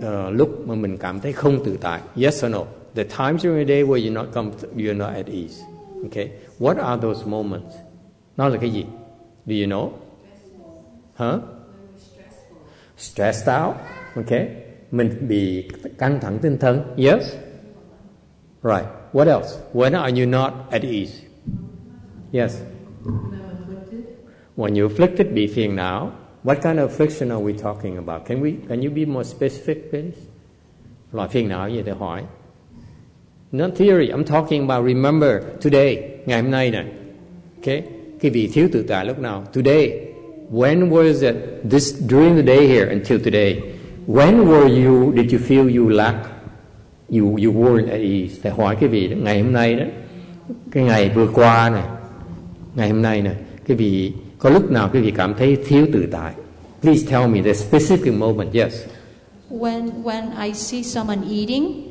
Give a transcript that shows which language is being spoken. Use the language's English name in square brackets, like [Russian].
[Vietnamese] Lúc mà mình cảm thấy không tự tại. [English] Yes or no? The times during the day where you're not at ease. Okay. What are those moments? [Vietnamese] Nó là cái gì? [English] Do you know? Huh? Stressed out. Okay. [Vietnamese] mình bị căng thẳng tinh thần. [English] Yes? Right. What else? When are you not at ease? Yes. When you're afflicted, [Vietnamese] bị phiền não. [English] What kind of affliction are we talking about? Can you be more specific, please? [Vietnamese] Loại phiền não gì để hỏi. [English] Not theory. I'm talking about remember today, [Vietnamese] ngày hôm nay này. [English] Okay? [Vietnamese] Cái vị thiếu tự tại lúc nào? [English] Today. When was it this during the day here until today? When were you? Did you feel you lack? You weren't at ease. [Vietnamese] Để hỏi cái vị ngày hôm nay đó, cái ngày vừa qua này, ngày hôm nay này, cái vị có lúc nào cái vị cảm thấy thiếu tự tại? [English] Please tell me the specific moment. Yes. When I see someone eating.